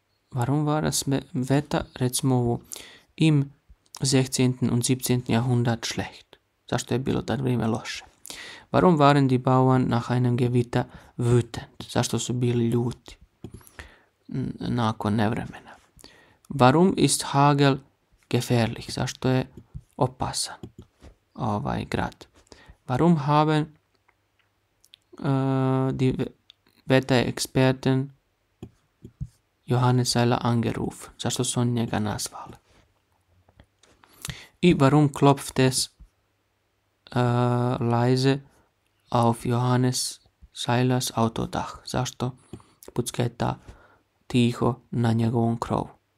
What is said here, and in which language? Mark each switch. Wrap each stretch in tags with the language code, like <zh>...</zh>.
<de>Warum war das Wetter,</de> <bs>recimo ovo,</bs> <de>im 16. und 17. Jahrhundert schlecht?</de> <bs>Zašto je bilo tad vrijeme loše?</bs> <de>Warum waren die Bauern nach einem Gewitter wütend?</de> <bs>Zašto su bili ljuti nakon nevremena?</bs> <de>Warum ist Hagel gefährlich?</de> <bs>Zašto je opasan ovaj grad?</bs> <de>Warum haben die Wetterexperten Johannes Seiler angerufen?</de> <bs>Zašto su oni njega nazvali?</bs> <de>I warum klopft es leise auf Johannes Seilers Autodach?</de> <bs>Zašto pucketa tiho na njegovom krovu?</bs>